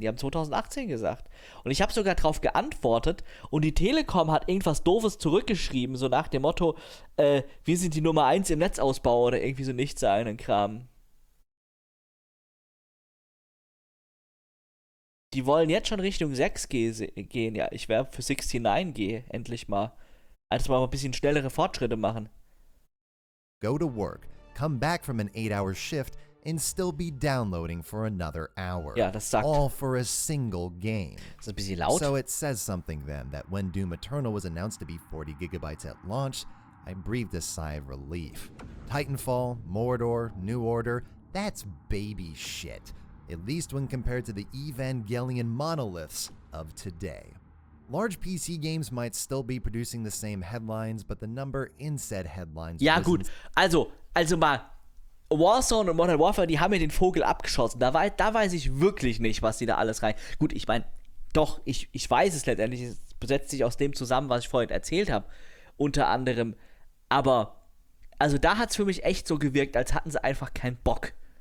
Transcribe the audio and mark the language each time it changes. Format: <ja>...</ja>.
<de>Die haben 2018 gesagt. Und ich habe sogar drauf geantwortet und die Telekom hat irgendwas Doofes zurückgeschrieben, so nach dem Motto, wir sind die Nummer 1 im Netzausbau oder irgendwie so nichts sagenden Kram. Die wollen jetzt schon Richtung 6G gehen. Ja, ich wäre für 69G endlich mal. Also mal ein bisschen schnellere Fortschritte machen.</de> <en>Go to work. Come back from an 8-hour shift and still be downloading for another hour.</en> <de>Ja, das sagt.</de> <en>All for a single game.</en> <de>Das ist ein bisschen laut.</de> <en>So it says something then that when Doom Eternal was announced to be 40 gigabytes at launch, I breathed a sigh of relief. Titanfall, Mordor, New Order, that's baby shit. At least when compared to the Evangelion monoliths of today. Large PC games might still be producing the same headlines, but the number in said headlines...</en> <de>Ja gut, also mal, Warzone und Modern Warfare, die haben mir den Vogel abgeschossen. Da weiß ich wirklich nicht, was die da alles rein... Gut, ich meine, doch, ich weiß es letztendlich. Es besetzt sich aus dem zusammen, was ich vorhin erzählt habe, unter anderem. Aber, also da hat es für mich echt so gewirkt, als hatten sie einfach keinen Bock.</de>